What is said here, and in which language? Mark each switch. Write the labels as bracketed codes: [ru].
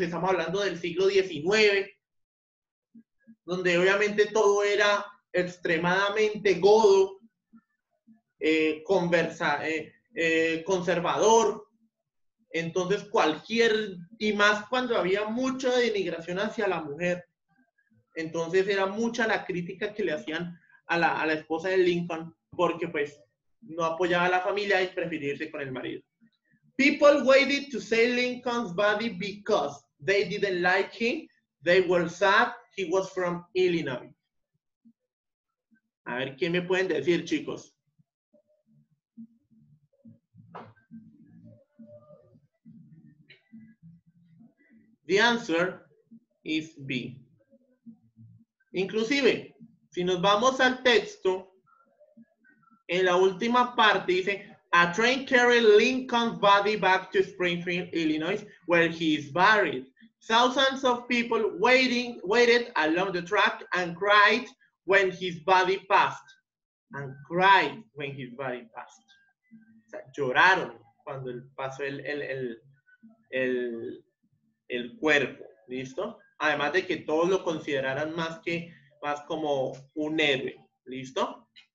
[es] Estamos hablando del siglo XIX, donde obviamente todo era extremadamente godo, conservador. Entonces cualquier, y más cuando había mucha denigración hacia la mujer, entonces era mucha la crítica que le hacían a la esposa de Lincoln, porque pues no apoyaba a la familia y preferirse con el marido. [en] People waited to see Lincoln's body because they didn't like him. They were sad he was from Illinois. [es] A ver, ¿qué me pueden decir, chicos? [en] The answer is B. [es] Inclusive, si nos vamos al texto, en la última parte dice, [en] a train carried Lincoln's body back to Springfield, Illinois, where he is buried. Thousands of people waited along the track and cried when his body passed. [es] O sea, lloraron cuando pasó el cuerpo, ¿listo? Además de que todos lo consideraran más como un héroe, ¿listo?